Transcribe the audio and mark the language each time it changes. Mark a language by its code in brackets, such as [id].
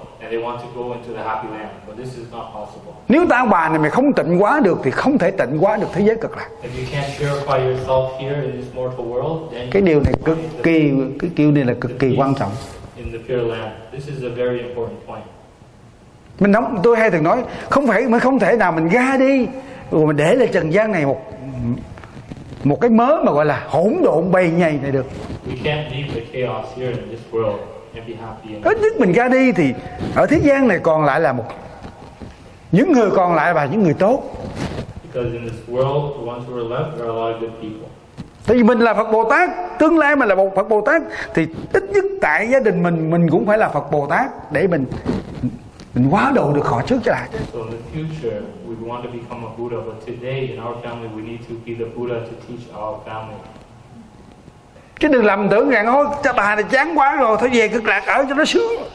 [en] They want to go into the happy land, but this is not possible. [vi] Nếu ta bà này mày không tịnh quá được thì không thể tịnh quá được thế giới cực lạc. [en] If you can't purify yourself here in this mortal world, then [vi] cái điều này cực kỳ, cái điều này là cực kỳ quan trọng. [en] In the pure land, this is a very important point. [vi] Mình nói, tôi hay thường nói, không phải mà không thể nào mình ra đi rồi mình để lại trần gian này một một cái mớ mà gọi là hỗn độn bầy nhầy này được. [en] We can't leave the chaos here in this world. [vi] Ít nhất mình ra đi thì ở thế gian này còn lại là một những người còn lại và những người tốt. [en] Because in this world, the ones who are left are a lot of good people. [vi] Tại vì mình là Phật Bồ Tát, tương lai mình là một Phật Bồ Tát thì ít nhất tại gia đình mình cũng phải là Phật Bồ Tát để mình hóa độ được họ trước cho lại. [en] So in the future, we want to become a Buddha, but today in our family we need to be the Buddha to teach our family. [vi] Chứ đừng lầm tưởng rằng ôi cha bà này chán quá rồi thôi về cực lạc ở cho nó sướng.